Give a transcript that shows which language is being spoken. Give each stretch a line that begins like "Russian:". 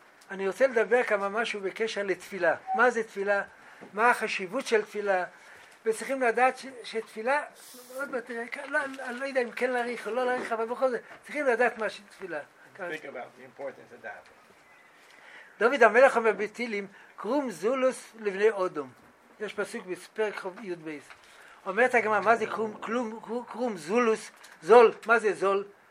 Hebrew: אני רוצה לדבר כמה משהו בקשר לתפילה. מה זה תפילה? מה החשיבות של תפילה? וצריכים לדעת שתפילה, עוד מעט, אני לא יודע אם כן להאריך או לא להאריך, אבל בכל זאת, צריכים לדעת מה שתפילה.
English: Think about the importance of that.
Hebrew: דוד המלך אומר בתהילים, קרום זולוס לבני אודום. יש פסוק בפרק י' בייס. אומרת הגמרא, מה זה קרום, קרום, קרום, קרום זולוס, זול, מה זה זול?